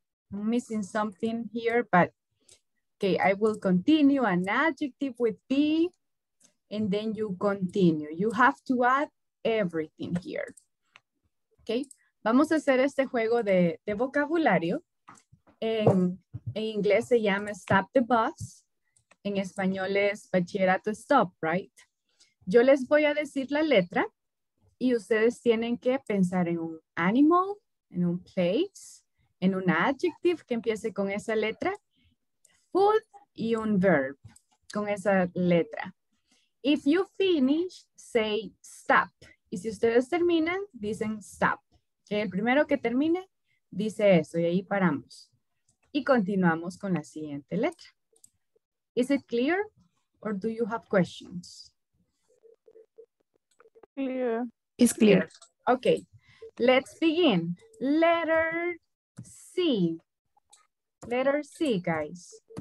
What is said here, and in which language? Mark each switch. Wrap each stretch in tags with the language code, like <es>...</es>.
<en>missing something here, but okay, I will continue an adjective with be, and then you continue. You have to add everything here.</en> <es>Okay, vamos a hacer este juego de vocabulario. En inglés se llama Stop the Bus. En español es Bachillerato Stop, right? Yo les voy a decir la letra y ustedes tienen que pensar en un animal, en un place, en un adjective que empiece con esa letra, food y un verb con esa letra.</es> <en>If you finish, say stop. Y si ustedes terminan, dicen stop.</en> <es>Que el primero que termine dice eso y ahí paramos. Y continuamos con la siguiente letra.</es> <en>Is it clear or do you have questions? Clear. It's clear. Okay, let's begin. Letter C. Letter C, guys.</en>